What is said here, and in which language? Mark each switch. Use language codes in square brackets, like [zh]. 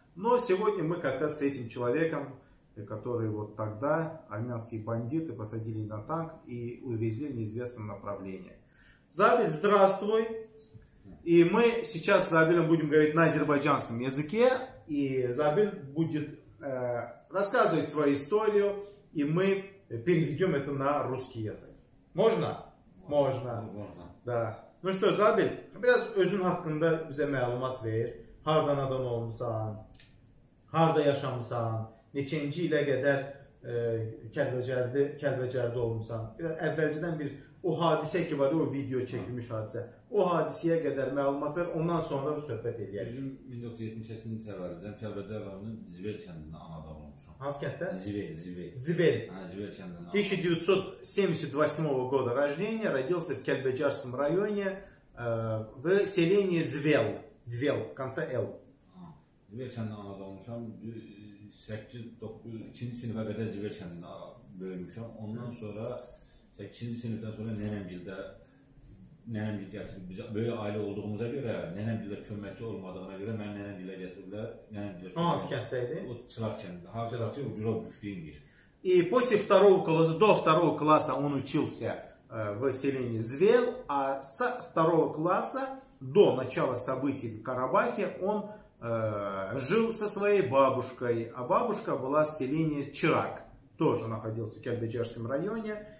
[ru] Но сегодня мы как раз с этим человеком, который вот тогда армянские бандиты посадили на танк и увезли в неизвестном направлении. Забиль, здравствуй! И мы сейчас с Забилем будем говорить на азербайджанском языке. И Забиль будет рассказывать свою историю, и мы переведем это на русский язык. Можно? Можно. Можно. Да. Ну что, [az] Забиль, biraz özün hakkında bize məlumat ver. Hardan adam olmuşsan? Harda yaşamışsan? Neçinci ilə qədər Kəlbəcərdə olmuşsan? Biraz əvvəlcədən bir o hadisə ki var, o video çəkilmiş hadisə. O hadisəyə qədər məlumat ver, ondan sonra söhbət edək. Bizim 1978-ci təvəllüdlüyəm, Kəlbəcər rayonunun Zibel kəndində anadan olmuşam. Hansı kənddə? Zibel. Zibel. Ha, Zibel kəndində. [ru] 1978 года рождения, родился в Кельбеджарском районе в селении Звел. Звел, конца Л. [az] Zibel kəndində anadan olmuşam. 2-ci sinifə qədər Zibel kəndində böyümüşam. Ondan sonra 2-ci sinifdən sonra Nənəmgildə Nənəmgildə gətirib, biz böyük ailə olduğumuza görə, Nənəmgildə köməkçi olmadığına görə mən Nənəmgildə gətirdilər. Nənəmgildə köməkçi. Hansı kənddə idi? O Çılaq kəndində. Hazırlıqçı o Gürov düşdüyümdür. [ru] И после второго класса, до второго класса он учился в селении Звел, а со второго класса до начала событий в Карабахе он жил со своей бабушкой. А бабушка была в селении Чырак, тоже находился в Кельбеджарском районе.